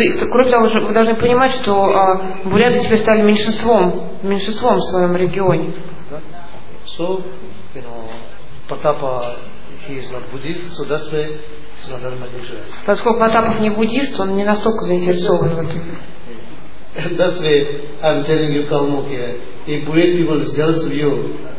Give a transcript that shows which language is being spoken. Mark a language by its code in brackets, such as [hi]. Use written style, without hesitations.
[ru] Кроме того, вы должны понимать, что буряты теперь стали меньшинством в своем регионе. [en] So, you know, Потапа, he is not Buddhist, so that's why he's not very much interested. [ru] Поскольку Потапов не буддист, он не настолько заинтересован в этом. [en] That's why I'm telling you, Kalmuk, if Buryat people is jealous of you.